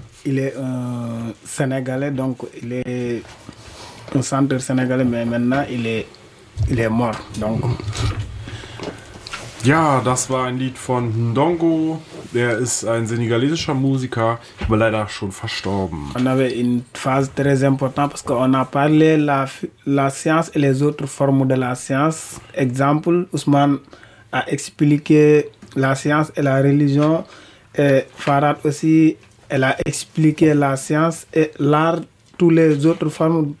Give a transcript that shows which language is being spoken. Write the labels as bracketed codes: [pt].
[fr] Il est un Sénégalais, donc il est un chanteur sénégalais, mais maintenant il est mort. Donc, [de] ja, das war ein Lied von Ndongo. Der ist ein sénégalaisischer Musiker, aber leider schon verstorben. [fr] On avait une phase très importante parce qu'on a parlé la science et les autres formes de la science. Exemple, Ousmane a expliqué la science et la religion. Et Farad aussi, elle a expliqué la science et l'art, toutes les autres formes.